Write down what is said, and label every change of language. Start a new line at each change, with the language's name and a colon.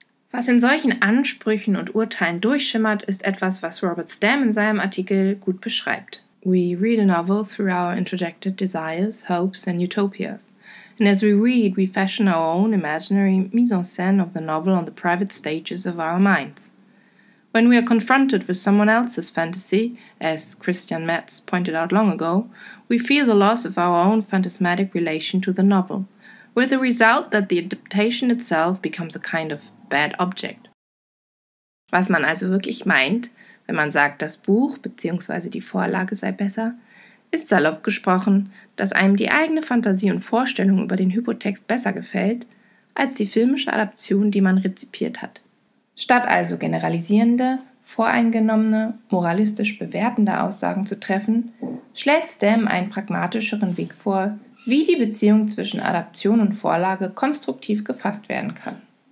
German: Was in solchen Ansprüchen und Urteilen durchschimmert, ist etwas, was Robert Stamm in seinem Artikel gut beschreibt.
English: We read a novel through our interjected desires, hopes and utopias. And as we read, we fashion our own imaginary mise-en-scene of the novel on the private stages of our minds. When we are confronted with someone else's fantasy, as Christian Metz pointed out long ago, we feel the loss of our own phantasmatic relation to the novel, with the result that the adaptation itself becomes a kind of bad object.
German: Was man also wirklich meint, wenn man sagt, das Buch bzw. die Vorlage sei besser, ist salopp gesprochen, dass einem die eigene Fantasie und Vorstellung über den Hypotext besser gefällt, als die filmische Adaption, die man rezipiert hat. Statt also generalisierende, voreingenommene, moralistisch bewertende Aussagen zu treffen, schlägt Stamm einen pragmatischeren Weg vor, wie die Beziehung zwischen Adaption und Vorlage konstruktiv gefasst werden kann.